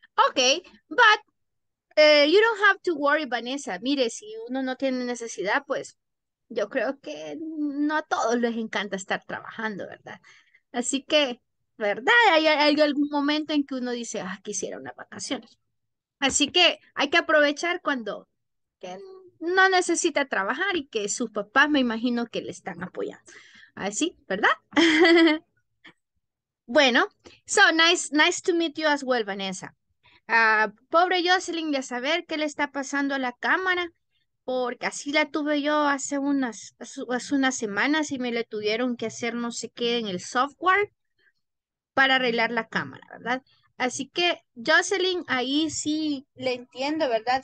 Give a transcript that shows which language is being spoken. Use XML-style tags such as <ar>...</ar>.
<en>Okay, but you don't have to worry, Vanessa.</en> <es>Mire, si uno no tiene necesidad, pues yo creo que no a todos les encanta estar trabajando, ¿verdad? Así que, ¿verdad? Hay algún momento en que uno dice, ah, quisiera unas vacaciones. Así que hay que aprovechar cuando que no necesita trabajar y que sus papás, me imagino, que le están apoyando. Así, ¿verdad?</es> <en>Bueno, so nice to meet you as well, Vanessa.</en> <es>Pobre Jocelyn, ya saber qué le está pasando a la cámara, porque así la tuve yo hace unas semanas y me le tuvieron que hacer no sé qué en el software para arreglar la cámara, ¿verdad? Así que Jocelyn, ahí sí le entiendo, ¿verdad?</es>